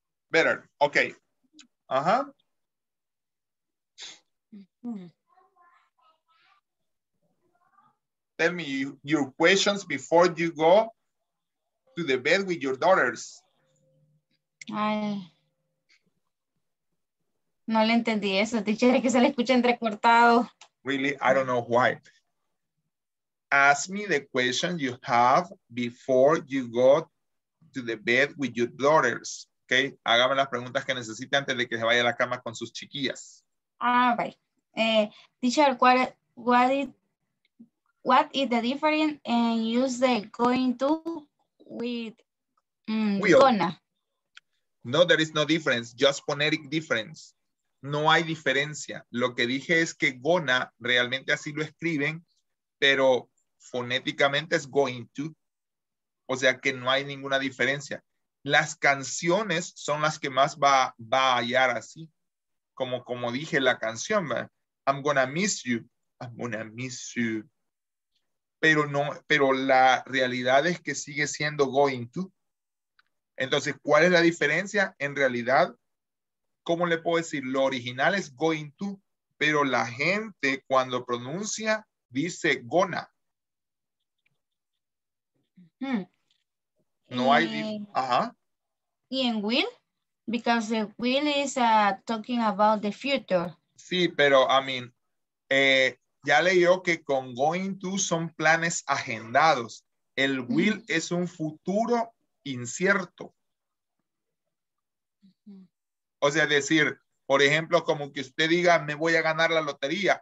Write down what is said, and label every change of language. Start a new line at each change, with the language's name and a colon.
English: Better, okay. Uh-huh. Tell me your questions before you go to the bed with your daughters. Ay.
Spanish: No le entendí eso, teacher, que se le escucha entrecortado.
English: Really, I don't know why. Ask me the question you have before you go to the bed with your daughters, OK?
Spanish: Okay, hágame las preguntas que necesite antes de que se vaya a la cama con sus chiquillas.
English: All right. Teacher, what is the difference in use the going to with gonna? No, there is no difference, just phonetic difference.
Spanish: No hay diferencia. Lo que dije es que gonna, realmente así lo escriben, pero fonéticamente es going to. O sea que no hay ninguna diferencia. Las canciones son las que más va a hallar así. Como dije la canción, ¿verdad?
English: I'm gonna miss you. I'm gonna miss you.
Spanish: Pero no, pero la realidad es que sigue siendo going to. Entonces, ¿cuál es la diferencia? En realidad, ¿cómo le puedo decir? Lo original es going to, pero la gente cuando pronuncia dice gonna. No hay. Y en
English: will, because the will is talking about the future.
Spanish: Sí, pero
English: I mean,
Spanish: ya leyó que con going to son planes agendados. El will es un futuro incierto. O sea, decir, por ejemplo, como que usted diga, me voy a ganar la lotería.